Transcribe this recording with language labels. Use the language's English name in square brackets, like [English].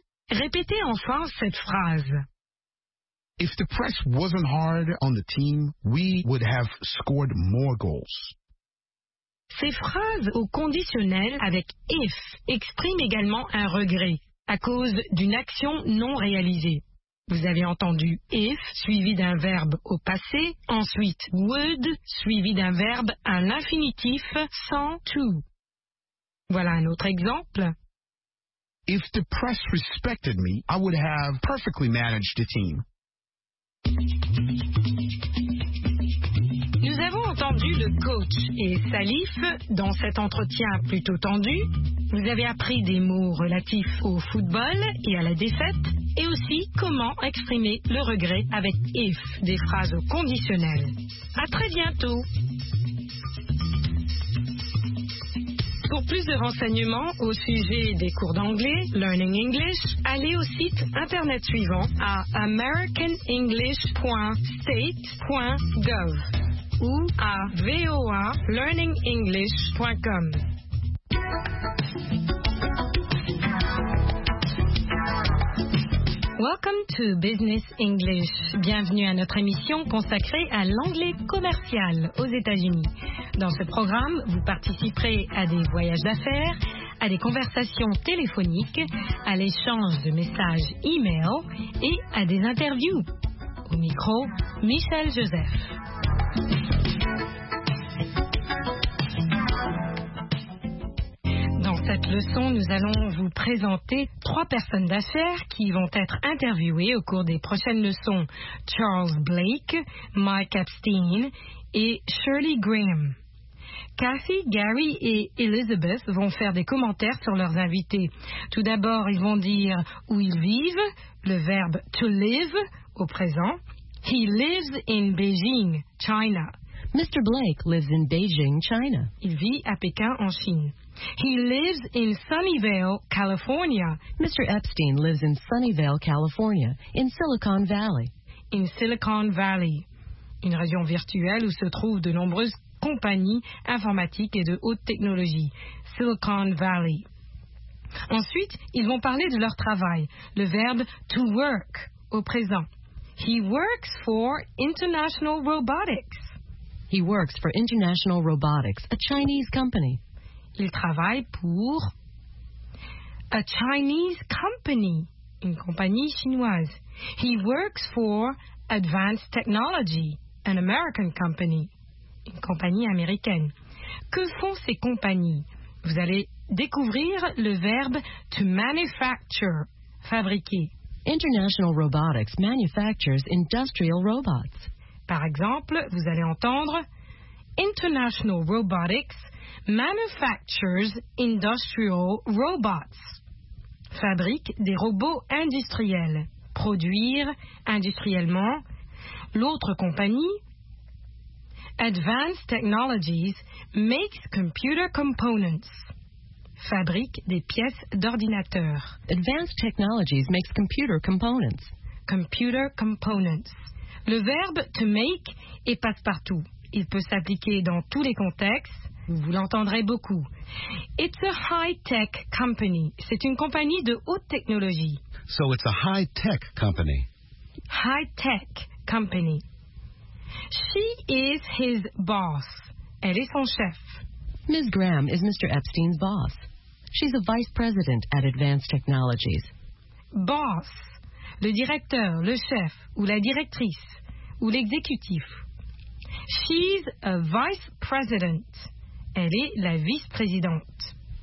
[French] Répétez enfin cette phrase. [English] If the press wasn't hard on the team, we would have scored more goals. [French] Ces phrases au conditionnel avec if expriment également un regret à cause d'une action non réalisée. Vous avez entendu if suivi d'un verbe au passé, ensuite would suivi d'un verbe à l'infinitif sans to. Voilà un autre exemple. [English] If the press respected me, I would have perfectly managed the team. [French] Nous avons entendu le coach et Salif dans cet entretien plutôt tendu. Vous avez appris des mots relatifs au football et à la défaite, et aussi comment exprimer le regret avec if, des phrases conditionnelles. À très bientôt. Pour plus de renseignements au sujet des cours d'anglais, Learning English, allez au site internet suivant à americanenglish.state.gov ou à voalearningenglish.com. [English] Welcome to Business English. [French] Bienvenue à notre émission consacrée à l'anglais commercial aux États-Unis. Dans ce programme, vous participerez à des voyages d'affaires, à des conversations téléphoniques, à l'échange de messages e-mail et à des interviews. Au micro, Michel Joseph. Cette leçon, nous allons vous présenter trois personnes d'affaires qui vont être interviewées au cours des prochaines leçons. Charles Blake, Mike Epstein et Shirley Graham. Kathy, Gary et Elizabeth vont faire des commentaires sur leurs invités. Tout d'abord, ils vont dire où ils vivent, le verbe to live au présent. [English] He lives in Beijing, China. Mr. Blake lives in Beijing, China. [French] Il vit à Pékin, en Chine. [English] He lives in Sunnyvale, California. Mr. Epstein lives in Sunnyvale, California, in Silicon Valley. [French] In Silicon Valley, une région virtuelle où se trouvent de nombreuses compagnies informatiques et de haute technologie. Silicon Valley. Ensuite, ils vont parler de leur travail, le verbe to work au présent. [English] He works for International Robotics. He works for International Robotics, a Chinese company. [French] Il travaille pour [English] a Chinese company, [French] une compagnie chinoise. [English] He works for Advanced Technology, an American company, [French] une compagnie américaine. Que font ces compagnies? Vous allez découvrir le verbe to manufacture, fabriquer. [English] International Robotics manufactures industrial robots. [French] Par exemple, vous allez entendre [English] International Robotics manufactures industrial robots. [French] Fabrique des robots industriels. Produire industriellement. L'autre compagnie, [English] Advanced Technologies makes computer components. [French] Fabrique des pièces d'ordinateur. [English] Advanced Technologies makes computer components. Computer components. [French] Le verbe to make est passe-partout. Il peut s'appliquer dans tous les contextes. Vous l'entendrez beaucoup. [English] It's a high-tech company. [French] C'est une compagnie de haute technologie. [English] So it's a high-tech company. High-tech company. She is his boss. [French] Elle est son chef. [English] Ms. Graham is Mr. Epstein's boss. She's a vice president at Advanced Technologies. Boss. [French] Le directeur, le chef, ou la directrice, ou l'exécutif. [English] She's a vice president. [French] Elle est la vice-présidente.